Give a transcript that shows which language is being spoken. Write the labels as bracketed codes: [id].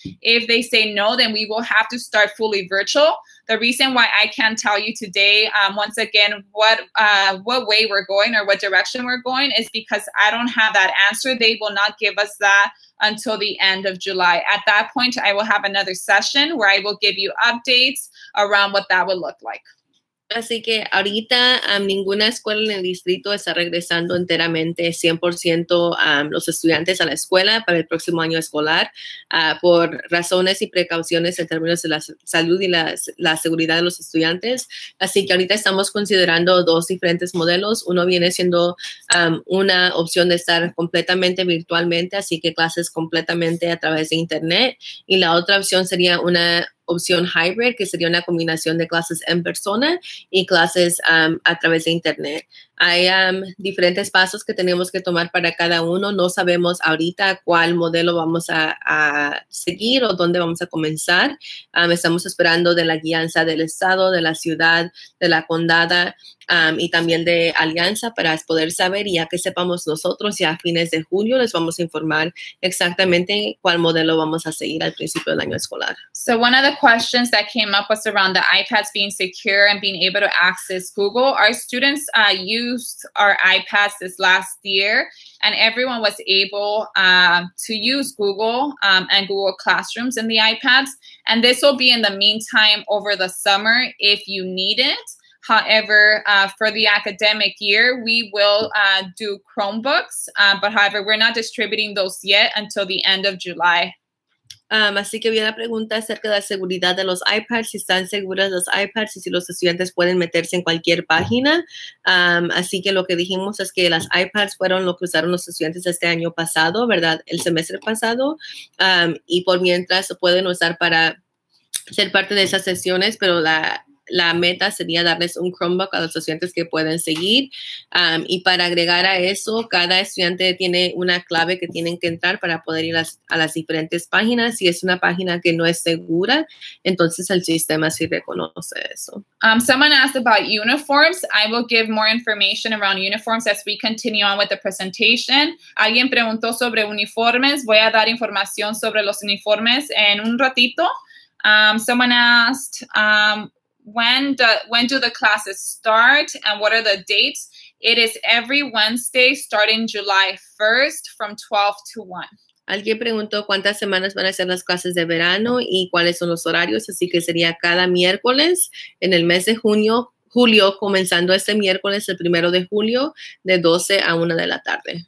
[en] If they say no, then we will have to start fully virtual. The reason why I can't tell you today, once again, what way we're going or what direction we're going is because I don't have that answer. They will not give us that until the end of July. At that point, I will have another session where I will give you updates around what that would look like. [es] Así que ahorita ninguna escuela en el distrito está regresando enteramente 100% los estudiantes a la escuela para el próximo año escolar por razones y precauciones en términos de la salud y la seguridad de los estudiantes. Así que ahorita estamos considerando dos diferentes modelos. Uno viene siendo una opción de estar completamente virtualmente, así que clases completamente a través de internet. Y la otra opción sería una opción hybrid, que sería una combinación de clases en persona y clases a través de internet. Hay diferentes pasos que tenemos que tomar para cada uno. No sabemos ahorita cuál modelo vamos a seguir o dónde vamos a comenzar. Estamos esperando de la guianza del estado, de la ciudad, de la condada y también de Alianza para poder saber. Y ya que sepamos nosotros, ya a fines de julio les vamos a informar exactamente cuál modelo vamos a seguir al principio del año escolar. [en] So one of the questions that came up was around the iPads being secure and being able to access Google. Our students used our iPads this last year, and everyone was able to use Google and Google Classrooms in the iPads. And this will be in the meantime over the summer if you need it. However, for the academic year, we will do Chromebooks, but however, we're not distributing those yet until the end of July. [es] Así que había la pregunta acerca de la seguridad de los iPads, si están seguros los iPads y si los estudiantes pueden meterse en cualquier página. Así que lo que dijimos es que las iPads fueron lo que usaron los estudiantes este año pasado, ¿verdad? El semestre pasado. Y por mientras pueden usar para ser parte de esas sesiones, pero la meta sería darles un Chromebook a los estudiantes que pueden seguir. Y para agregar a eso, cada estudiante tiene una clave que tienen que entrar para poder ir a las diferentes páginas. Si es una página que no es segura, entonces el sistema sí reconoce eso. [en] Someone asked about uniforms. I will give more information around uniforms as we continue on with the presentation. [es] Alguien preguntó sobre uniformes. Voy a dar información sobre los uniformes en un ratito. [en] Someone asked, when do the classes start and what are the dates? It is every Wednesday starting July 1st from 12 to 1. [es] Alguien preguntó cuántas semanas van a ser las clases de verano y cuáles son los horarios, así que sería cada miércoles en el mes de julio, comenzando este miércoles, el primero de julio, de 12 a 1 de la tarde.